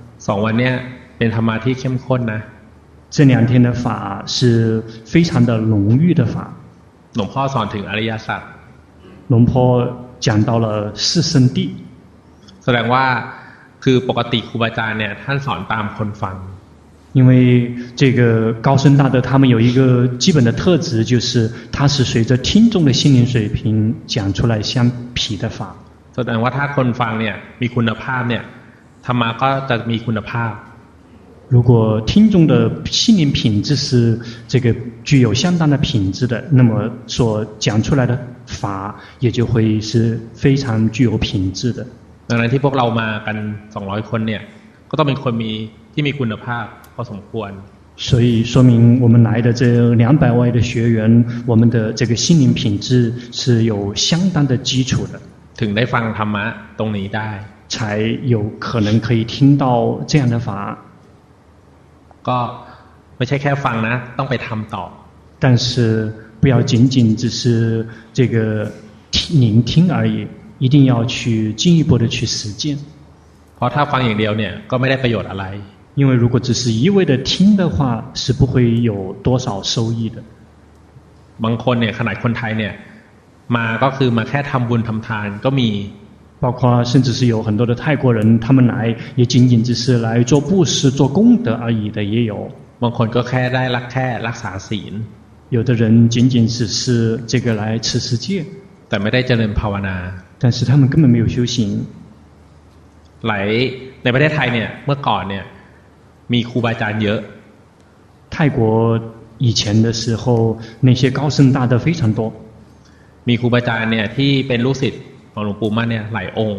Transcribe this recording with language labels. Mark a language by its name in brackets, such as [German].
[Thai] สองวันเนี่ยเป็นธรรมะที่เข้มข้นนะ [Chinese] 这两天的法是非常的浓郁的法 [Thai] หลวงพ่อสอนถึงอริยสัจ [Chinese] หลวงพ่อ讲到了四圣谛 [Thai] แสดงว่าคือปกติครูบาอาจารย์เนี่ยท่านสอนตามคนฟัง [Chinese] 因为这个高僧大德他们有一个基本的特质，就是他是随着听众的心灵水平讲出来相匹的法。 [Thai] แสดงว่าถ้าคนฟังเนี่ยมีคุณภาพเนี่ยธรรมะก็จะมีคุณภาพ。 [Chinese] 如果听众的心灵品质是这个具有相当的品质的，那么所讲出来的法也就会是非常具有品质的。 [Thai] ดังนั้นที่พวกเรามากัน200คนเนี่ยก็ต้องเป็นคนมีคุณภาพพอสมควร。 [Chinese] 所以说明我们来的这200位的学员，我们的这个心灵品质是有相当的基础的。 [Thai] ถึงได้ฟังธรรมะตรงนี้ได้ [Chinese] ，才有可能可以听到这样的法。 [Thai] ก็ไม่ใช่แค่ฟังนะต้องไปทำต่ [Chinese] อ但是不要仅仅只是这个聆听而已，一定要去进一步的去实践。 [Thai] เพราะถ้าฟังอย่างเดียวเนี่ยก็ไม่ได้ประโยชน์อะไร [Chinese] 因为如果只是一味的听的话是不会有多少收益的。 [Thai] บางคนเนี่ยขนาดคนไทยเนี่ยมาก็คือมาแค่ทำบุญทำทานก็มี [Chinese] 包括甚至是有很多的泰国人，他们来也仅仅只是来做布施、做功德而已的，也有。 [Thai] บางคนก็แค่ได้รักแค่รักษาศีล。 [Chinese] 有的人仅仅只是这个来持持戒， [Thai] แต่ไม่ได้เจริญภาวนา。 [Chinese] 但是他们根本没有修行。 [Thai] ในประเทศไทยเนี่ยเมื่อก่อนเนี่ยมีครูบาอาจารย์เยอะ。 [Chinese] 泰国以前的时候，那些高僧大德非常多。 [Thai] มีครูบาอาจารย์เนี่ยที่เป็นลูกศิษย์หลวงปู่มั่นเนี่ยหลายองค